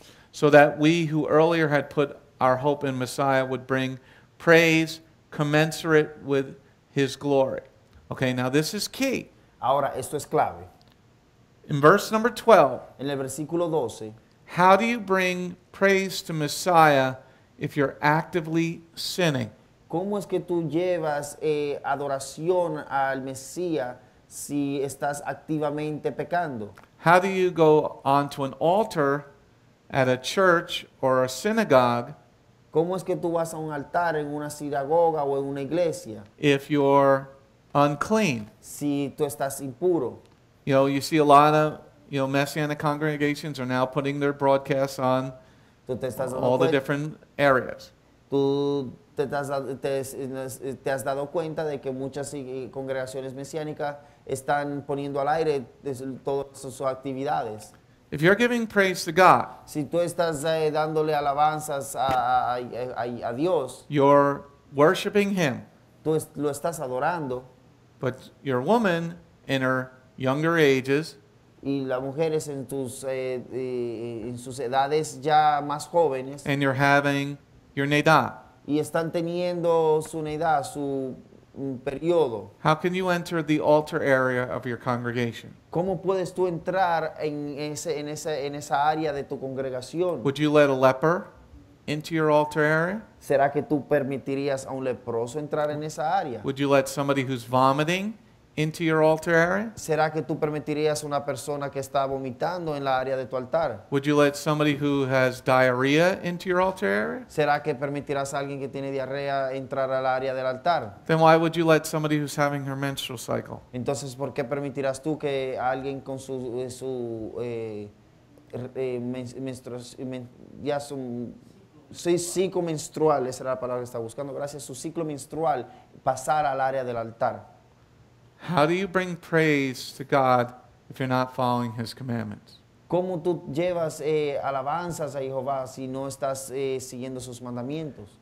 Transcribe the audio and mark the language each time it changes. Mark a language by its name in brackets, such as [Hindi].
[English] So that we who earlier had put our hope in Messiah would bring praise commensurate with his glory. Okay, now this is key. [Spanish] Ahora, esto es clave. [English] In verse number 12, [Spanish] en el versículo 12, [English] how do you bring praise to Messiah if you're actively sinning? [Spanish] ¿Cómo es que tú llevas adoración al Mesías si estás activamente pecando? [English] How do you go onto an altar at a church or a synagogue? [Spanish] ¿Cómo es que tú vas a un altar en una sinagoga o en una iglesia? [English] If you're unclean. [Spanish] Si tú estás impuro. [English] You know, you see a lot of, you know, Messianic congregations are now putting their broadcasts on all the different areas. [Spanish] Tú te has dado cuenta de que muchas congregaciones mesiánicas están poniendo al aire todas sus actividades. [English] If you're giving praise to God, [Spanish] si tú estás dándole alabanzas a Dios, [English] you're worshiping him. [Spanish] Tú lo estás adorando. [English] But your woman in her younger ages, [Spanish] y la mujer es en sus edades ya más jóvenes, [English] and you're having your neidah. [Spanish] Y están teniendo su neidah, su periodo. [English] How can you enter the altar area of your congregation? [Spanish] ¿Cómo puedes tú entrar en esa área de tu congregación? [English] Would you let a leper into your altar area? [Spanish] ¿Será que tú permitirías a un leproso entrar en esa área? [English] Would you let somebody who's vomiting into your altar area? [Spanish] ¿Será que tú permitirías una persona que está vomitando en la área de tu altar? [English] Would you let somebody who has diarrhea into your altar area? [Spanish] ¿Será que permitirás a alguien que tiene diarrea entrar al área del altar? [English] Then why would you let somebody who's having her menstrual cycle? [Spanish] Entonces, ¿por qué permitirás tú que alguien con su ciclo menstrual, esa era la palabra que estaba buscando, gracias, su ciclo menstrual pasar al área del altar? [English] How do you bring praise to God if you're not following his commandments? [Spanish] ¿Cómo tú llevas alabanzas a Jehová si no estás siguiendo sus mandamientos?